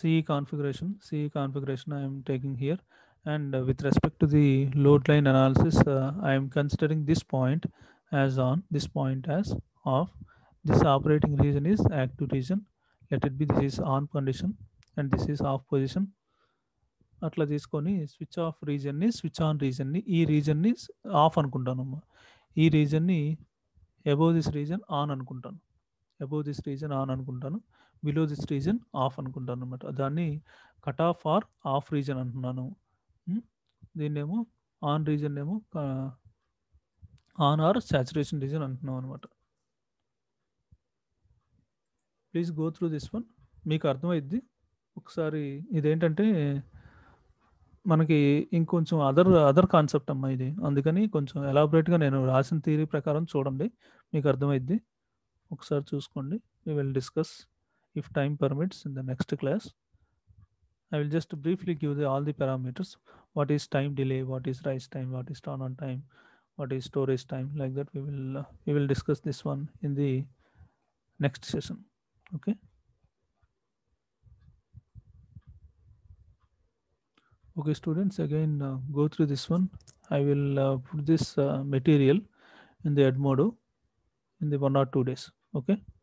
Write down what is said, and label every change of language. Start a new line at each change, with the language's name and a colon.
English: Same CE configuration I am taking here, and with respect to the load line analysis, I am considering this point as on, this point as off. This operating region is active region. Let it be this is on condition and this is off position.
Telugu: అట్లా తీసుకొని switch off రీజన్ని switch on రీజన్ని ఈ రీజన్ని of అనుకుంటాను అమ్మా. ఈ రీజన్ని above this reason on అనుకుంటాను, above this reason on అనుకుంటాను, below this reason of అనుకుంటాను అనమాట. దాన్ని cut off are of reason అంటున్నాను. దీన్ని ఏమో ఆన్ రీజన్ ఏమో ఆన్ ఆర్ సాచురేషన్ రీజన్ అంటున్నాం అనమాట.
English: Please go through this one.
Telugu: మీకు అర్థమైద్ది ఒకసారి. ఇదేంటంటే మనకి ఇంకొంచెం అదర్ కాన్సెప్ట్ అమ్మా ఇది, అందుకని కొంచెం ఎలాబరేట్గా నేను రాసిన థియరీ ప్రకారం చూడండి, మీకు అర్థమైద్ది. ఒకసారి చూసుకోండి.
English: We will discuss if time permits in the next class. I will just briefly give the all the parameters. What is time delay, what is rise time, what is turn on time, what is storage time, like that we will discuss this one in the next session. Okay okay students, again go through this one. I will put this material in the Edmodo in the 1 or 2 days. Okay.